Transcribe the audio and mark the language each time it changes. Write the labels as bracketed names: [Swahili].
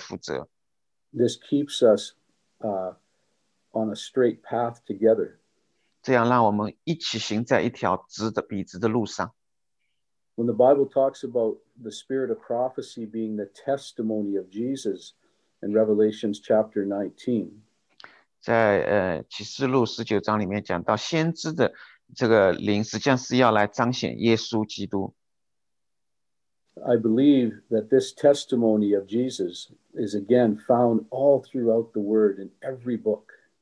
[Chinese] 因为我们彼此对我们所说的话是需要负责。 [English] This keeps us on a straight path together. [Chinese] 这样让我们一起行在一条直的彼此的路上。 [English] When the Bible talks about the spirit of prophecy being the testimony of Jesus in Revelation chapter 19, [Chinese] 在启示录19章里面讲到先知的这个灵实际上是要来彰显耶稣基督。 [English] I believe that this testimony of Jesus is again found all throughout the Word in every book.